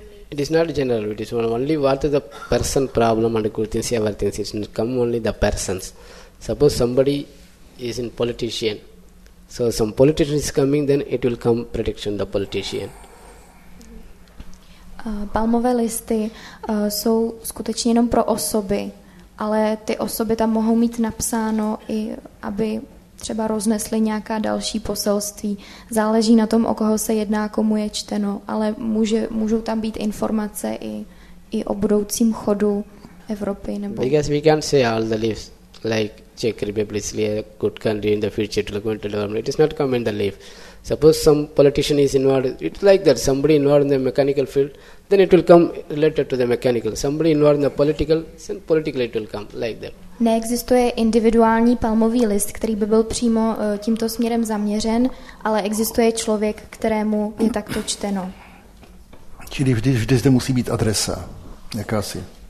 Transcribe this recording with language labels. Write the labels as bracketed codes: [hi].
[en] It is not general, it is only what is the person problem and good things, everything. It is come only the persons. Suppose somebody is in politician. So some politician is coming, then it will come prediction the politician. [cs] Palmové listy jsou skutečně jenom pro osoby, ale ty osoby tam mohou mít napsáno i aby třeba roznesli nějaká další poselství. Záleží na tom, o koho se jedná, komu je čteno, ale můžou tam být informace i o budoucím chodu Evropy. Nebo... [en] Because we can say all the leaves, like Czech Republic is a good country in the future to come into development. It is not come in the leaf. Suppose some politician is involved, it's like that, somebody involved in the mechanical field, then it will come related to the mechanical. Somebody involved in the political, then politically it will come, like that. [cs] Neexistuje individuální palmový list, který by byl přímo tímto směrem zaměřen, ale existuje člověk, kterému je takto čteno. Čili vždy zde musí být adresa, jakási.